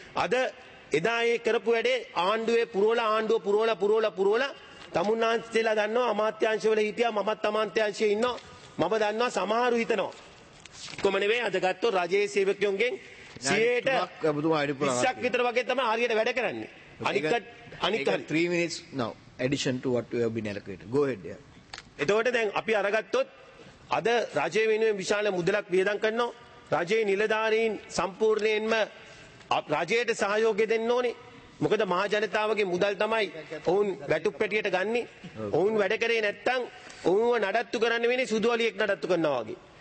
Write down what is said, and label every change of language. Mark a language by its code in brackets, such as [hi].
[si] අද එදා ඒ කරපු වැඩේ ආණ්ඩුවේ පුරවලා ආණ්ඩුව පුරවලා පුරවලා පුරවලා තමුන්නාන්සේලා දන්නවා අමාත්‍යාංශවල හිටියා මමත් අමාත්‍යාංශයේ ඉන්නවා මම දන්නවා සමහරු හිතනවා කොහොම නෙවෙයි අද ගත්තොත් රජයේ සේවකයන්ගෙන් 100ට 20ක් විතර වගේ තමයි හරියට වැඩ කරන්නේ. අනික [en] 3 minutes now addition to what you have been allocated. Go ahead. [si] එතකොට දැන් අපි අරගත්තොත් අද රජයේ වෙනුවෙන් විශාල මුදලක් වියදම් කරනවා. රජයේ නිලධාරීන් සම්පූර්ණයෙන්ම රජයට සහයෝගය දෙන්න ඕනේ. මොකද මහ ජනතාවගේ මුදල් තමයි ඔවුන් වැටුප් පෙටියට ගන්නෙ. ඔවුන් වැඩ කරේ නැත්තම් ඔවුන්ව නඩත්තු කරන්න වෙන්නේ සුදු අලියෙක් නඩත්තු කරනවා වගේ.